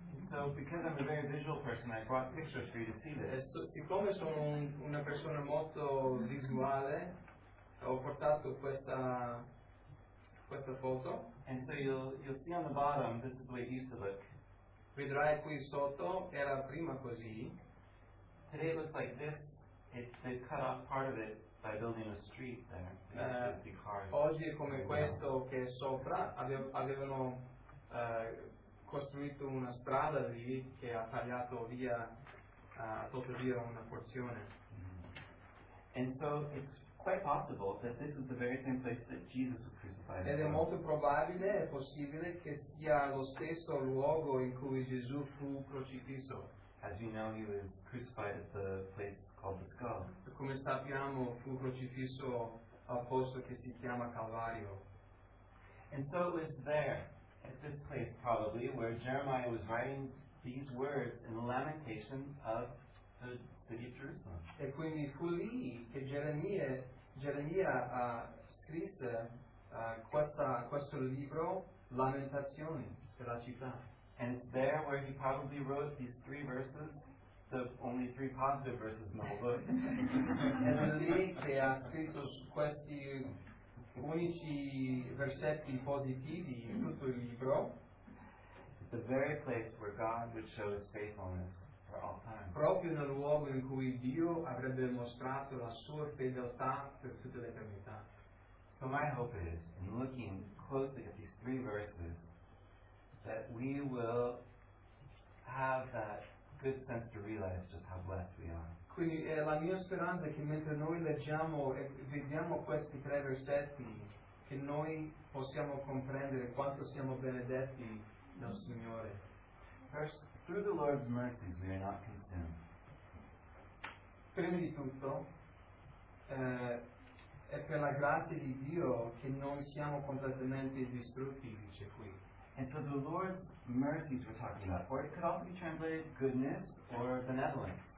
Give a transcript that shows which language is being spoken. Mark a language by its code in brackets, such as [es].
[en] So, because I'm a very visual person, I brought pictures for you to see this. [it] Siccome sono una persona molto visuale, ho portato questa foto. [en] And so you'll see on the bottom, this is the way it used to look. [it] Vedrai qui sotto, era prima così. [en] Today it looks like this. They cut off part of it by building a street there. [it] Oggi è come questo che sopra avevano costruito una strada lì che ha tagliato via, tolto via una porzione. [en] And so it's quite possible that this is the very same place that Jesus was crucified. [it] Ed è molto probabile, è possibile che sia lo stesso luogo in cui Gesù fu crocifisso. [en] As you know, he was crucified at the place called the Skull. [it] Come sappiamo, fu crocifisso al posto che si chiama Calvario. [en] And so it was there at this place probably where Jeremiah was writing these words in lamentation of the city of Jerusalem. [it] E quindi fu lì che Geremia scrisse questo libro Lamentazioni della città. [en] And it's there where he probably wrote these three verses, the only three positive verses in the whole book. [it] È lì che ha scritto questi unici versetti positivi in tutto il libro. [en] The very place where God would show his faithfulness for all time. [it] Proprio nel luogo in cui Dio avrebbe mostrato la sua fedeltà per tutta l'eternità. [en] So my hope is, in looking closely at these three verses, that we will have that good sense to realize just how blessed we are. [it] Quindi è la mia speranza che mentre noi leggiamo e vediamo questi tre versetti, che noi possiamo comprendere quanto siamo benedetti dal Signore. [en] First, through the Lord's mercies we are not consumed. [it] Prima di tutto, è per la grazia di Dio che non siamo completamente distrutti, dice qui. [en] And so the Lord's mercies we're talking about, or it could also be translated goodness or benevolence.